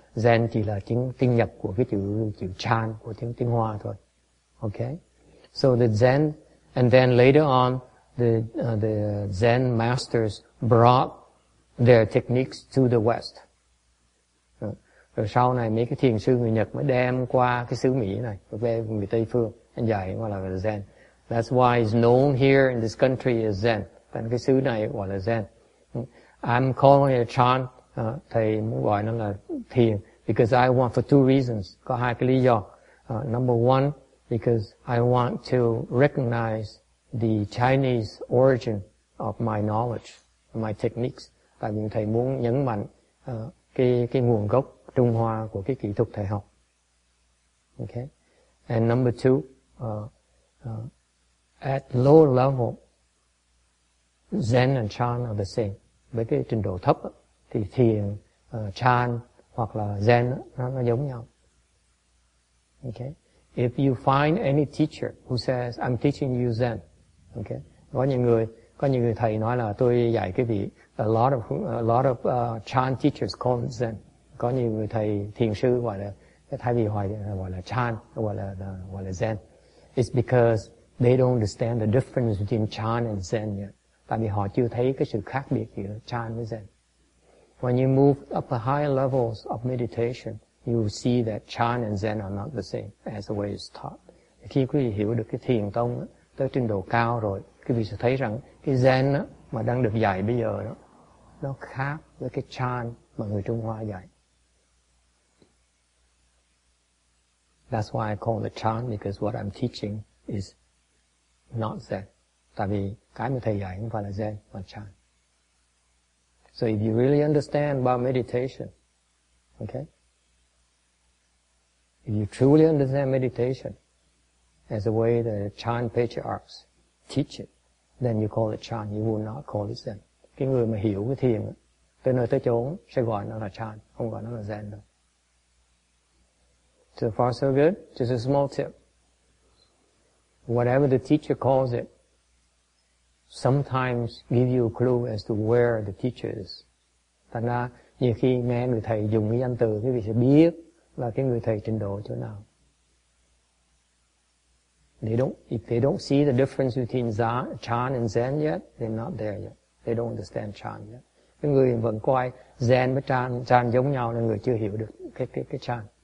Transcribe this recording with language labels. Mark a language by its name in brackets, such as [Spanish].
[Vietnamese] Zen chỉ là tiếng Nhật của cái chữ Chan của tiếng Hoa thôi. [English] Okay, so the Zen, and then later on, the Zen masters brought their techniques to the West. [Vietnamese] Rồi sau này mấy cái thiền sư người Nhật mới đem qua cái xứ Mỹ này, về người Tây phương, anh dạy gọi là Zen. [English] That's why it's known here in this country as Zen. [Vietnamese] Tại cái xứ này gọi là Zen. [English] I'm calling it chan, [Vietnamese] thầy muốn gọi nó là thiền, [English] because I want for two reasons. [Vietnamese] Có hai cái lý do. [English] Number one, because I want to recognize the Chinese origin of my knowledge, my techniques. [Vietnamese] Tại vì thầy muốn nhấn mạnh cái nguồn gốc Trung Hoa của cái kỹ thuật thầy học. [English] Okay. And number two, at lower level, Zen and Chan are the same. [Vietnamese] Với cái trình độ thấp thì thiền, Chan hoặc là Zen nó giống nhau. [English] Okay. If you find any teacher who says, I'm teaching you Zen. Okay. [Vietnamese] Có những người thầy nói là tôi dạy cái vị, [English] a lot of Chan teachers call it Zen. [Vietnamese] Có nhiều người thầy thiền sư gọi là, thay vì gọi là Chan, gọi là Zen. [English] It's because they don't understand the difference between Chan and Zen yet. [Vietnamese] Tại vì họ chưa thấy cái sự khác biệt giữa Chan với Zen. [English] When you move up the higher levels of meditation, you will see that Chan and Zen are not the same as the way it's taught. [Vietnamese] Khi quý vị hiểu được cái thiền tông tới trình độ cao rồi, quý vị sẽ thấy rằng cái Zen mà đang được dạy bây giờ đó, nó khác với cái Chan mà người Trung Hoa dạy. [English] That's why I call it Chan, because what I'm teaching is not Zen. [Vietnamese] Tại vì cái mà thầy dạy không phải là Zen, mà Chan. [English] So if you really understand about meditation, okay? If you truly understand meditation as a way that Chan patriarchs teach it, then you call it Chan, you will not call it Zen. [Vietnamese] Cái người mà hiểu cái thiền, tới nơi tới chốn sẽ gọi nó là Chan, không gọi nó là Zen đâu. [English] So far so good. Just a small tip. Whatever the teacher calls it, sometimes give you a clue as to where the teacher is. [Vietnamese] Thành ra, nhiều khi nghe người thầy dùng cái danh từ, quý vị sẽ biết là cái người thầy trình độ chỗ nào. [English] If they don't see the difference between Chan and Zen yet, they're not there yet. They don't understand Chan yet. [Vietnamese] Cái người vẫn coi Zen với Chan giống nhau, nên người chưa hiểu được cái Chan.